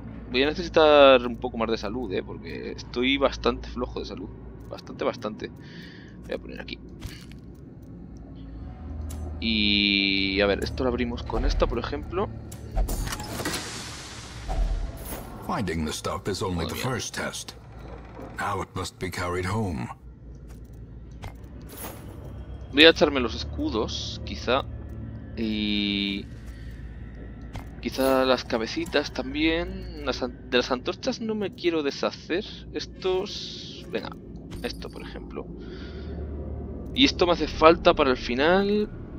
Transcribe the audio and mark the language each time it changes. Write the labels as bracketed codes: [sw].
[es] Voy a necesitar un poco más de salud, porque estoy bastante flojo de salud. Bastante, bastante. Voy a poner aquí. Y a ver, esto lo abrimos con esta, por ejemplo. [en] Finding the stuff is only the first test. Now it must be carried home. [es] Voy a echarme los escudos, quizá. Y quizá las cabecitas también. De las antorchas no me quiero deshacer. Estos. Venga, esto por ejemplo. Y esto me hace falta para el final.